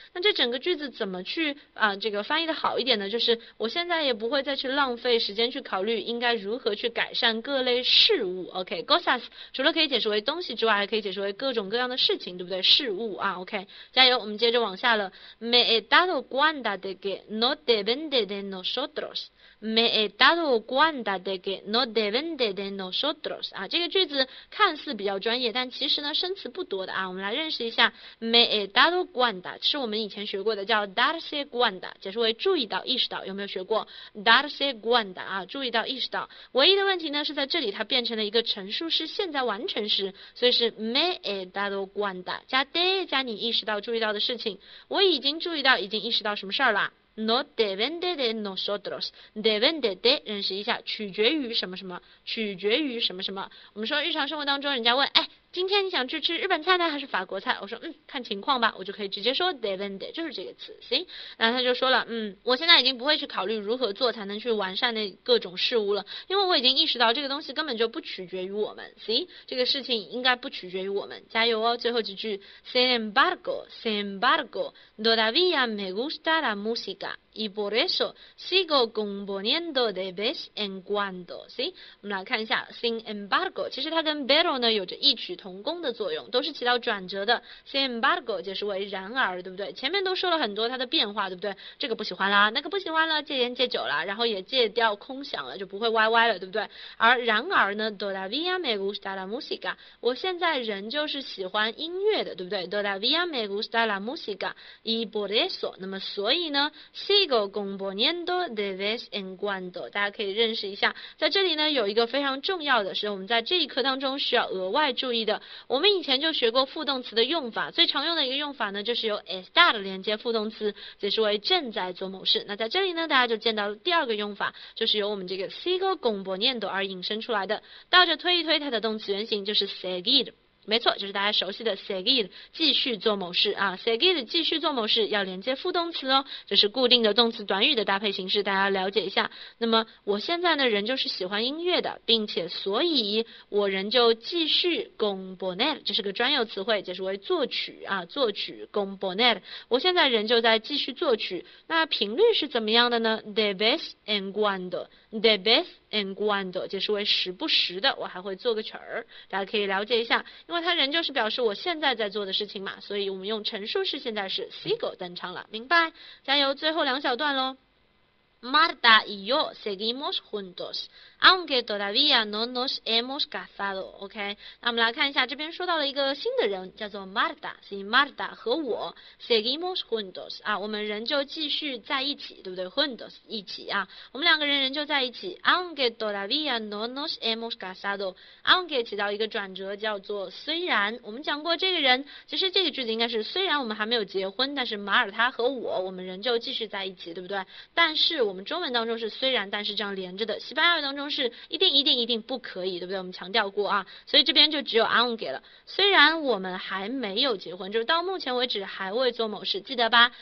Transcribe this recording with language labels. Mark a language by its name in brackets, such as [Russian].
[Chinese] 那这整个句子怎么去这个翻译的好一点呢？就是我现在也不会再去浪费时间去考虑应该如何去改善各类事物。 OK，cosas 除了可以解释为东西之外，还可以解释为各种各样的事情，对不对？事物。 OK， 加油，我们接着往下了。 [Spanish] Me he dado cuenta de que no depende de nosotros. Me he dado cuenta de que no depende de nosotros. [Chinese] 这个句子看似比较专业，但其实呢，生词不多的啊。我们来认识一下。 [Spanish] Me he dado cuenta [Chinese] 是我们以前学过的，叫 darse cuenta， 解释为注意到、意识到，有没有学过 darse cuenta 啊？注意到、意识到。唯一的问题呢，是在这里它变成了一个陈述式现在完成时，所以是 [Spanish] me he dado cuenta [Chinese] 加。加你意识到、注意到的事情，我已经注意到、已经意识到什么事儿了。 [Spanish] No depende de nosotros. Depende de [Chinese] 认识一下，取决于什么什么，取决于什么什么。我们说日常生活当中，人家问，哎，今天你想去吃日本菜呢，还是法国菜？我说，看情况吧，我就可以直接说 depende， 就是这个词。行，然后他就说了，我现在已经不会去考虑如何做才能去完善那各种事物了，因为我已经意识到这个东西根本就不取决于我们。行，这个事情应该不取决于我们。加油哦！最后几句 [Spanish] ，sin embargo, todavía me gusta la música。 Y por eso sigo componiendo de vez en cuando, ¿sí? [Chinese] 我们来看一下，sin embargo，其实它跟 pero 呢有着异曲同工的作用，都是起到转折的。 sin embargo 解释为然而，对不对？前面都说了很多它的变化，对不对？这个不喜欢啦，那个不喜欢了，戒烟戒酒啦，然后也戒掉空饷了，就不会歪歪了，对不对？而然而呢， [Spanish] todavía me gusta la música， [Chinese] 我现在仍旧是喜欢音乐的，对不对？ [Spanish] todavía me gusta la música y por eso， [Chinese] 那么所以呢， [Spanish] sin Sigo componiendo de vez en cuando， [Chinese] 大家可以认识一下。在这里呢，有一个非常重要的是，我们在这一课当中需要额外注意的。我们以前就学过副动词的用法，最常用的一个用法呢，就是由 estar 连接副动词，解释为正在做某事。那在这里呢，大家就见到了第二个用法，就是由我们这个 sigo componiendo 而引申出来的。倒着推一推，它的动词原形就是 seguir。没错，就是大家熟悉的 seguir，继续做某事啊。 seguir 继续做某事要连接副动词哦，这是固定的动词短语的搭配形式，大家了解一下。那么我现在呢，仍旧是喜欢音乐的，并且所以我仍旧继续 componer，这是个专有词汇，解释为作曲啊，作曲 componer。我现在仍旧在继续作曲，那频率是怎么样的呢？ [Spanish] De vez en cuando，de vez en cuando， [Chinese] 解释为时不时的，我还会做个曲儿，大家可以了解一下。因为它仍旧是表示我现在在做的事情嘛，所以我们用陈述式现在时 sigo 登场了，明白？加油，最后两小段喽。 [Spanish] Marta y yo seguimos juntos, aunque todavía no nos hemos casado, ¿ok? [Chinese] 那我们来看一下，这边说到了一个新的人，叫做 Marta, sí, Marta 和我 [Spanish] seguimos juntos, [Chinese] 啊，我们仍旧继续在一起，对不对？juntos 一起啊，我们两个人仍旧在一起。 [Spanish] Aunque todavía no nos hemos casado，aunque [Chinese] 起到一个转折，叫做虽然。我们讲过这个人，其实这个句子应该是虽然我们还没有结婚，但是马尔他和我们仍旧继续在一起，对不对？但是我们中文当中是虽然，但是这样连着的。西班牙语当中是一定一定一定不可以，对不对？我们强调过啊，所以这边就只有 aunque 了。虽然我们还没有结婚，就是到目前为止还未做某事，记得吧？